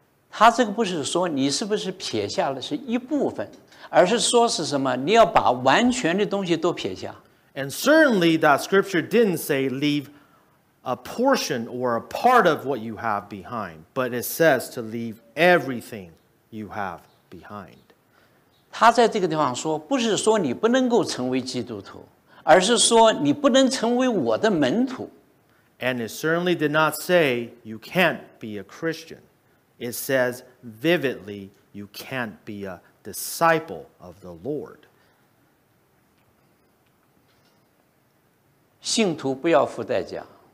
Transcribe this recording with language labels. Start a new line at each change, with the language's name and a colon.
Chinese: 他这个不是说你是不是撇下了是一部分，而是说是什么，你要把完全的东西都撇下。
English: And certainly that scripture didn't say leave a portion or a part of what you have behind, but it says to leave everything you have behind.
Chinese: 他在这个地方说, 不是说你不能够成为基督徒, 而是说你不能成为我的门徒。
English: And it certainly did not say you can't be a Christian. It says vividly you can't be a disciple of the Lord.
Chinese: 信徒不要付代价。